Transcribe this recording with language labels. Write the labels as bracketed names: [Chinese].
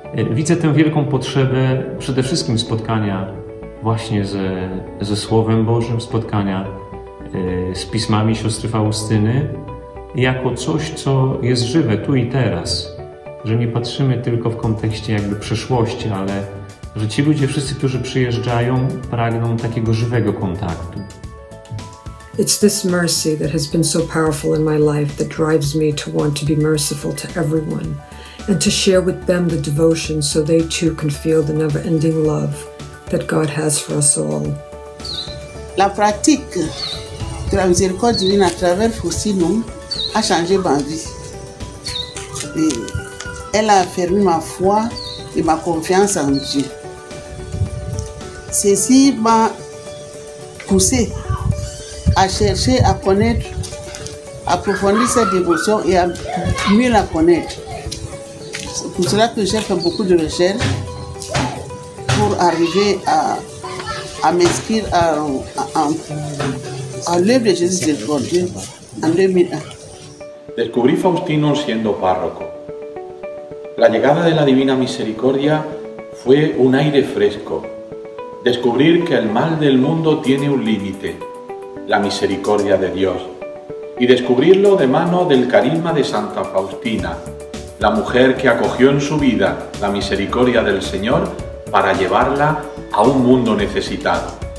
[Polish] Widzę tę wielką potrzebę przede wszystkim spotkania właśnie ze Słowem Bożym, spotkania z pismami siostry Faustyny, jako coś, co jest żywe tu i teraz, że nie patrzymy tylko w kontekście jakby przeszłości, ale że ci ludzie, wszyscy, którzy przyjeżdżają, pragną takiego żywego kontaktu. [English] It's this mercy that has been so powerful in my life that drives me to want to be merciful to everyone and to share with them the devotion so they too can feel the never-ending love that God has for us all. [French] La pratique de la miséricorde divine à travers Faustinum a changé ma vie. Elle a affermi ma foi et ma confiance en Dieu. Ceci m'a poussé à chercher à connaître, à approfondir cette dévotion et à mieux la connaître. C'est pour cela que j'ai fait beaucoup de recherches pour arriver à m'inscrire à l'œuvre de Jésus de Dieu en 2001. Découvrir [Spanish] Faustino siendo párroco. La llegada de la Divina Misericordia fue un aire fresco. Descubrir que el mal del mundo tiene un límite. La misericordia de Dios, y descubrirlo de mano del carisma de Santa Faustina, la mujer que acogió en su vida la misericordia del Señor para llevarla a un mundo necesitado.